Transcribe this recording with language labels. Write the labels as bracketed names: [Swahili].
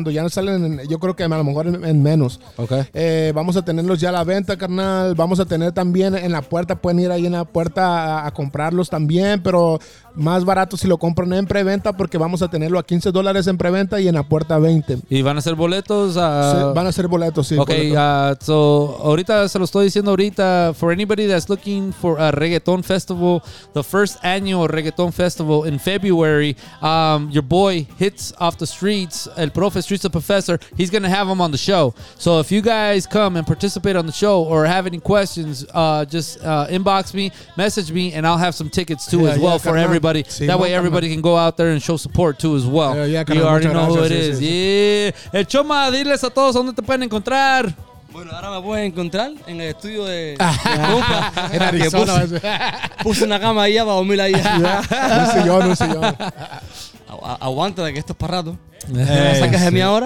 [Spanish] Ya no salen, yo creo que a lo mejor en menos. Ok. Vamos a tenerlos ya a la venta, carnal. Vamos a tener también en la puerta, pueden ir ahí en la puerta a comprarlos también, pero más barato si lo compran en preventa, porque vamos a tenerlo a $15 en preventa y en la puerta 20. ¿Y van a ser boletos? Sí, van a ser boletos, sí. Ok, boletos. [English] So [Spanish] ahorita se lo estoy diciendo ahorita, [English] for anybody that's looking for a Reggaeton Festival, the first annual Reggaeton Festival in February, your boy Hits Off the Streetz, El Profe, Streetz the Professor, he's gonna have him on the show. So if you guys come and participate on the show or have any questions, just inbox me, message me, and I'll have some tickets too, as well, for everybody. Sí, that way everybody can go out there and show support too as well. You already know who it is. Yeah. [Spanish] El Choma, diles a todos dónde te pueden encontrar. Bueno, ahora me puedes encontrar en el estudio de compa. En Arizona. Puse una cama ahí para dormir ahí. No sé yo. Aguanta que esto es para rato. Hey, sacas de mí ahora.